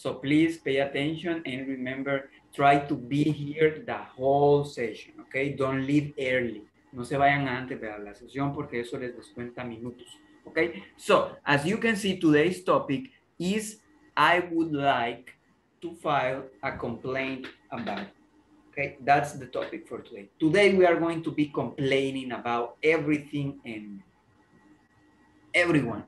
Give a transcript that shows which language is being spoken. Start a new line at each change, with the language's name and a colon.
English: So please pay attention and remember, try to be here the whole session, okay? Don't leave early.
Spanish: No se vayan antes de la sesión porque eso les descuenta minutos, okay?
English: So, as you can see, today's topic is I would like to file a complaint about, okay? That's the topic for today. Today we are going to be complaining about everything and everyone.